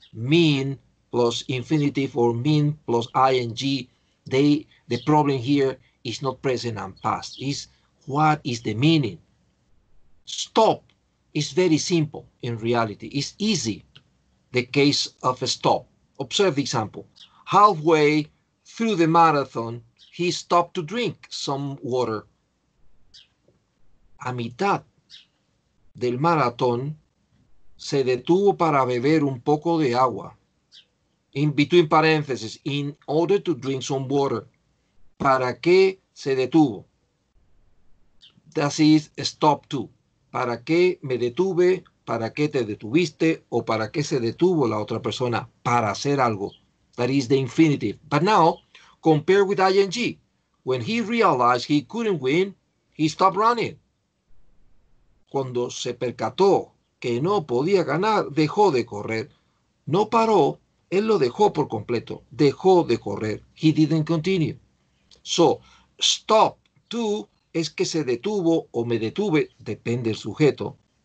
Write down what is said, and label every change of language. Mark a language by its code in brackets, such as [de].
[en] Mean plus infinitive or mean plus ing, the problem here is not present and past, it's what is the meaning. Stop is very simple in reality. It's easy, the case of a stop. Observe the example. Halfway through the marathon, he stopped to drink some water. [es] A mitad del maratón, se detuvo para beber un poco de agua. [en] In between parentheses, in order to drink some water. [es] ¿Para qué se detuvo? [en] That is a stop to. [es] ¿Para qué me detuve? ¿Para qué te detuviste? ¿O para qué se detuvo la otra persona? Para hacer algo. [en] That is the infinitive. But now, compare with ing. When he realized he couldn't win, he stopped running. [es] Cuando se percató que no podía ganar, dejó de correr. No paró, él lo dejó por completo. Dejó de correr. [en] He didn't continue. So, [es] stop to es que se detuvo o me detuve, depende del sujeto.